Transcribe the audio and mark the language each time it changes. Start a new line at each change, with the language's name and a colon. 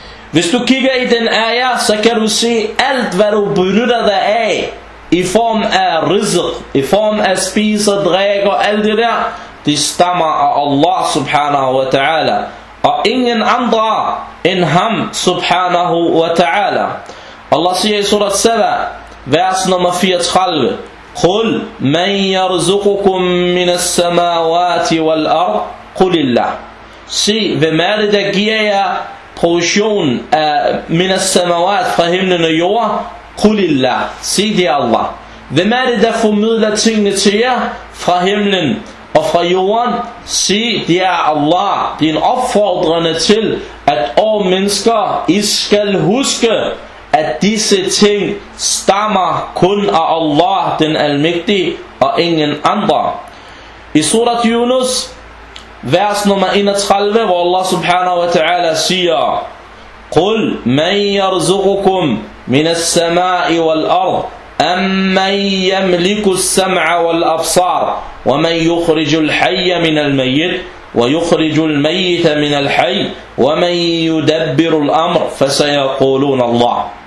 Danish: Hvis du kigger i den ayah, så kan du se alt, hvad du benytter dig af, i form af rizq, i form af spise og drikke og alt det der, det stammer af Allah subhanahu wa ta'ala, og ingen andre end ham subhanahu wa ta'ala. Allah siger i surat 7, vers nummer 34,
Arabic: قُلْ مَنْ يَرْزُقُكُمْ مِنَ السَّمَاوَاتِ وَالْأَرْضِ قُلِ اللَّهِ.
Danish: Se, hvem er det, der giver jer provision
Arabic: min السَّمَاوَاتِ
Danish: fra himlen og jorden?
Arabic: قُلِ اللَّهِ.
Danish: Se, det er Allah. Hvem er det, der formidler tingene til jer fra himlen og fra jorden? Se, det er Allah. Det er en opfordrende til, at åh mennesker, I skal huske, at disse ting stammer kun af Allah, den almægtige, og ingen andre. I surat Yunus, vers nummer 31, hvor Allah subhanahu wa ta'ala siger,
Arabic: قُلْ مَنْ يَرْزُقُكُمْ مِنَ السَّمَاءِ وَالْأَرْضِ أَمَّنْ يَمْلِكُ السَّمْعَ وَالْأَبْصَارِ وَمَنْ يُخْرِجُ الْحَيَّ مِنَ الْمَيِّتِ وَيُخْرِجُ الْمَيِّتَ مِنَ الْحَيِّ وَمَنْ يُدَبِّرُ الْأَمْرِ فَسَيَقُولُونَ اللَّهِ.